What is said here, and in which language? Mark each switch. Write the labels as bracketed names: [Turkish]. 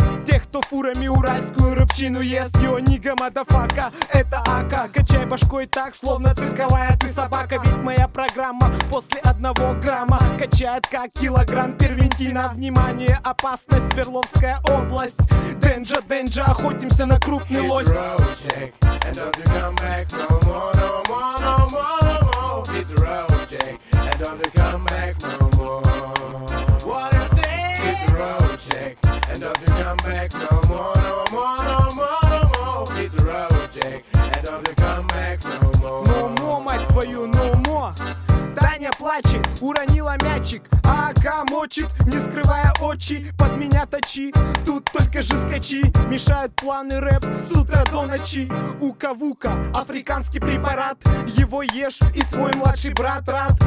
[Russian] Тех, кто фурами уральскую рыбчину ест. [English] Йо, нига, мадафака, [Russian] это ака. Качай башкой так, словно цирковая ты собака. Ведь моя программа после одного грамма качает как килограмм первентина. Внимание, опасность, Свердловская область. Денджа, денджа, охотимся на крупный лось. [English] Hit the road, Jack, and don't you come back no more, no more, no more, no more. Hit the road, Jack, and don't you come back no more. What is it? Hit the road, Jack, and don't you come back no more, no more, no more, no more. Hit the road, Jack, and don't you come back no more. No more, [Russian] мать твою, [English] no more. [Russian] Таня плачет, уронила мячик. Ака мочит, не скрывая очи, под меня точи, тут только же скачи. Мешают планы рэп с утра до ночи. Ука-вука, африканский препарат, его ешь и твой младший брат рад.